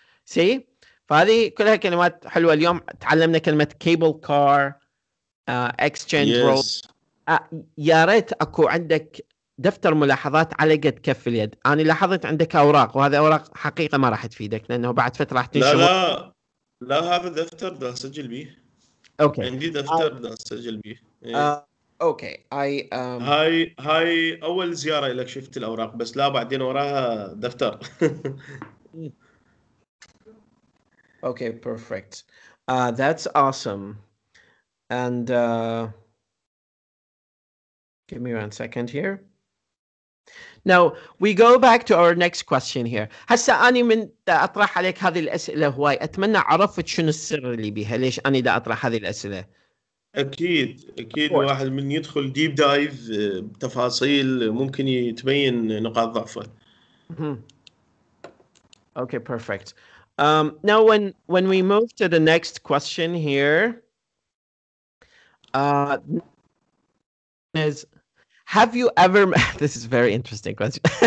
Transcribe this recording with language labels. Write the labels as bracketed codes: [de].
[en] See؟ [ar] فهذه كلها كلمات حلوة. اليوم تعلمنا كلمة cable car, exchange yes. [en] road. [ar] يا ريت أكو عندك دفتر ملاحظات على قد كف اليد. أنا لاحظت عندك أوراق، وهذا أوراق حقيقة ما راح تفيدك لأنه بعد فترة راح تنشغل. لا هذا دفتر ده سجل بيه. أوكي. عندي دفتر ده سجل بيه. أوكي. هاي أول زيارة لك شفت الأوراق، بس لا بعدين وراها دفتر. [en] Okay, perfect. That's awesome. And give me one second here. Now we go back to our next question here. [ar] هسا أنا من أطرح عليك هذه الأسئلة هواي، أتمنى عرفت شنو السر اللي بيها، ليش أنا دا أطرح هذه الأسئلة. أكيد الواحد من يدخل deep dive بتفاصيل ممكن يتبين نقاط ضعفه. [en] Okay, perfect. Now when we move to the next question here, is have you ever this is a very interesting question.